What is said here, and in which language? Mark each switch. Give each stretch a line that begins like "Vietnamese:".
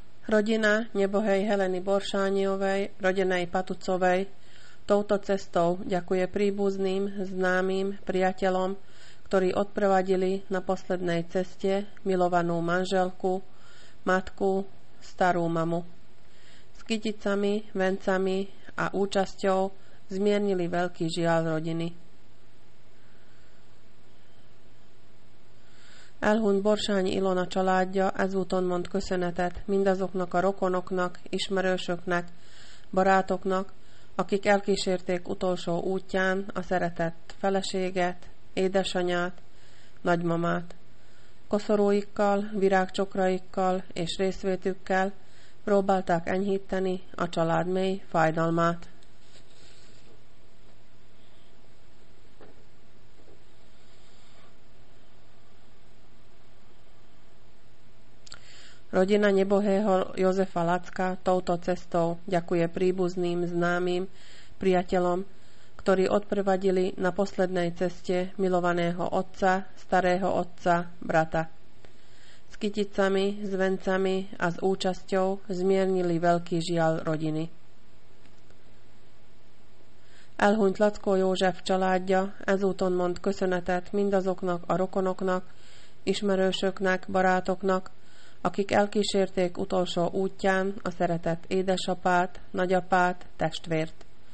Slovak: Rodina nebohej Heleny Boršániovej, rodenej Patucovej, touto cestou ďakuje príbuzným, známym, priateľom, ktorí odprevadili na poslednej ceste milovanú manželku, matku, starú mamu. S kyticami, vencami a účasťou zmiernili veľký žiaľ rodiny.
Hungarian: Elhun Borsány Ilona családja ezúton mond köszönetet mindazoknak a rokonoknak, ismerősöknek, barátoknak, akik elkísérték utolsó útján a szeretett feleséget, édesanyát, nagymamát. Koszorúikkal, virágcsokraikkal és részvétükkel próbálták enyhíteni a család mély fájdalmát.
Slovak: Rodina nebohého Jozefa Lacka touto cestou ďakuje príbuzným, známym, priateľom, ktorí odprevadili na poslednej ceste milovaného otca, starého otca, brata. S kyticami, s vencami a s účasťou zmiernili veľký žiaľ rodiny.
Hungarian: Elhunyt Lackó József családja ezúton mond köszönetet mindazoknak a rokonoknak, ismerősöknek, barátoknak, akik elkísérték utolsó útján a szeretett édesapát, nagyapát, testvért.